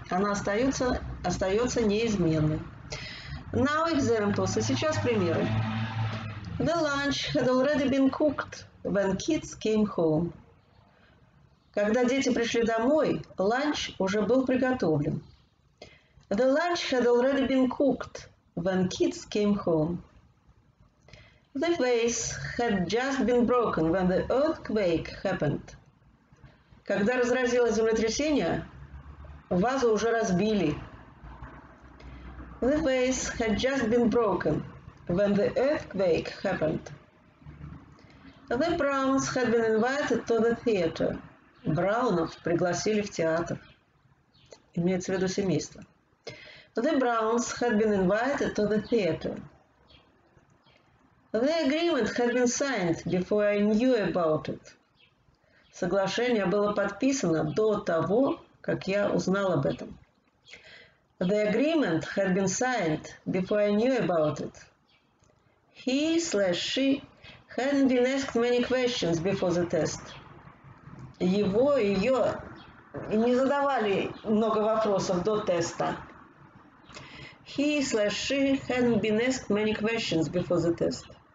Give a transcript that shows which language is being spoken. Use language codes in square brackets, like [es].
[ru] Она остается неизменной. [en] Now examples. [ru] А сейчас примеры. [en] The lunch had already been cooked. When kids came home. [ru] Когда дети пришли домой, ланч уже был приготовлен. [en] The lunch had already been cooked when kids came home. The vase had just been broken when the earthquake happened. [ru] Когда разразилось землетрясение, Вазу уже разбили. [en] The vase had just been broken when the earthquake happened. The Browns had been invited to the theater. [ru] Браунов пригласили в театр. Имеется в виду семейство. [en] The Browns had been invited to the theater. The agreement had been signed before I knew about it. [ru] Соглашение было подписано до того, как я узнал об этом. [en] The agreement had been signed before I knew about it. He/she hadn't been asked many questions before the test. [ru] Его и ее не задавали много вопросов до теста. [en] He/she hadn't been asked many questions before the test.